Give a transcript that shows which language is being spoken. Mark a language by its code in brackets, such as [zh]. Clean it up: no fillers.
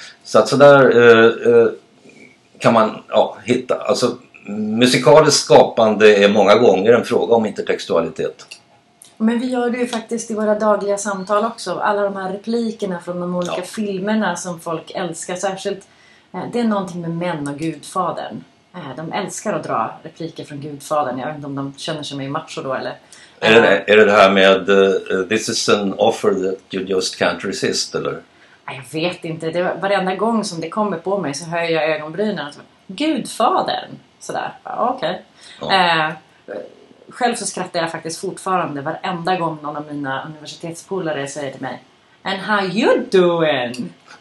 [sv] Så att sådär kan man hitta, alltså musikaliskt skapande är många gånger en fråga om intertextualitet. Men vi gör det ju faktiskt i våra dagliga samtal också. Alla de här replikerna från de olika filmerna som folk älskar särskilt. Det är någonting med män och gudfadern. De älskar att dra repliker från gudfadern. Jag vet inte om de känner sig mer macho då. Eller? Är det det här med [en] this is an offer that you just can't resist? [sv] Eller? Jag vet inte. Det var, varenda gång som det kommer på mig så höjer jag ögonbrynen. Gudfadern! Sådär, okej. Okay. Ja. Själv så skrattar jag faktiskt fortfarande varenda gång någon av mina universitetspolare säger till mig [en] "And how you doing?"